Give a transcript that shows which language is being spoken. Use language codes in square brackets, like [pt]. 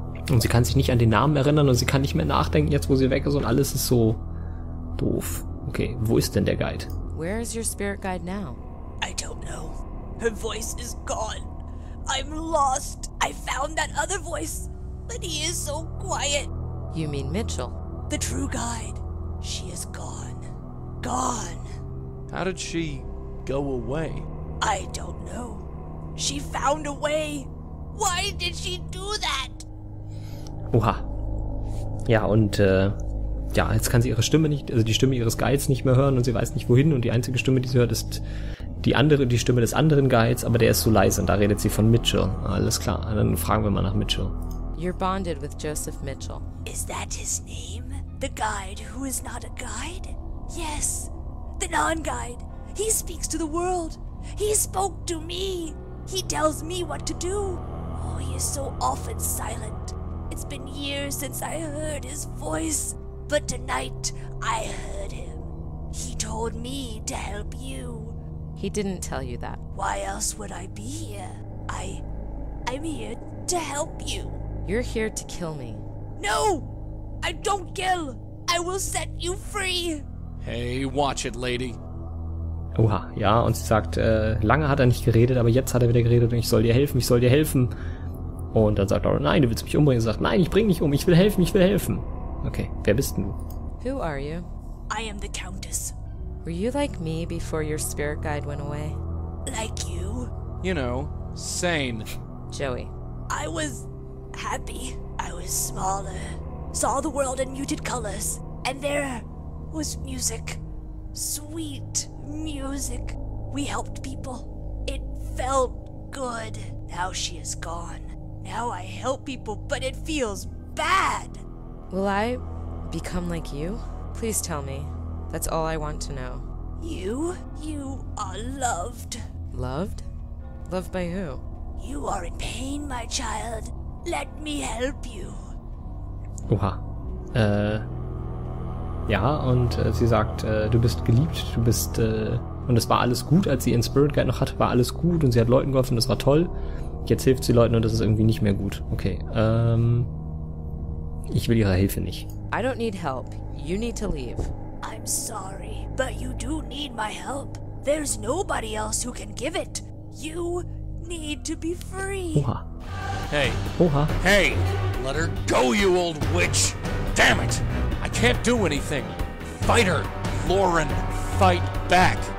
[de] Und sie kann sich nicht an den Namen erinnern und sie kann nicht mehr nachdenken, jetzt wo sie weg ist und alles ist so doof. Okay, wo ist denn der Guide? [en] Where is your spirit guide now? I don't know. Her voice is gone. I'm lost. I found that other voice, but he is so quiet. You mean Mitchell? The true guide. She is gone. Gone. How did she go away? I don't know. She found a way. Why did she do that? Oha. [de] Ja, und ja, jetzt kann sie ihre Stimme nicht, also die Stimme ihres Guides nicht mehr hören und sie weiß nicht wohin und die einzige Stimme, die sie hört, ist die andere, die Stimme des anderen Guides, aber der ist so leise und da redet sie von Mitchell. Alles klar, dann fragen wir mal nach Mitchell. [en] You're bonded with Joseph Mitchell. Is that his name? The guide who is not a guide? Yes. The non-guide. He speaks to the world. He spoke to me. He tells me what to do. Oh, he is so often silent. It's been years since I heard his voice. But tonight, I heard him. He told me to help you. He didn't tell you that. Why else would I be here? I'm here to help you. You're here to kill me. No! I don't kill! I will set you free! Hey, watch it, lady. [de] Oha, ja, und sie sagt, lange hat er nicht geredet, aber jetzt hat er wieder geredet und ich soll dir helfen. Und dann sagt Lauren, nein, du willst mich umbringen. Sie sagt, nein, ich bring dich um, ich will helfen. Okay, wer bist denn du? [en] Who are you? I am the Countess. Were you like me before your spirit guide went away? Like you? You know, sane. Joey. I was happy. I was smaller. Saw the world in muted colors. And there was music. Sweet music. We helped people. It felt good. Now she is gone. Now I help people, but it feels bad. Will I become like you? Please tell me. That's all I want to know. You? You are loved. Loved? Loved by who? You are in pain, my child. Let me help you. Oha. [de] Ja, und sie sagt, du bist geliebt, du bist, und es war alles gut, als sie ihren Spirit Guide noch hatte, war alles gut und sie hat Leuten geholfen, das war toll. Jetzt hilft sie Leuten und das ist irgendwie nicht mehr gut. Okay, ich will ihre Hilfe nicht. [en] I don't need help. You need to leave. I'm sorry, but you do need my help. There's nobody else who can give it. You need to be free. Oha. Hey. Oha. Hey, let her go, you old witch. Damn it. I can't do anything. Fight her, Lauren. Fight back.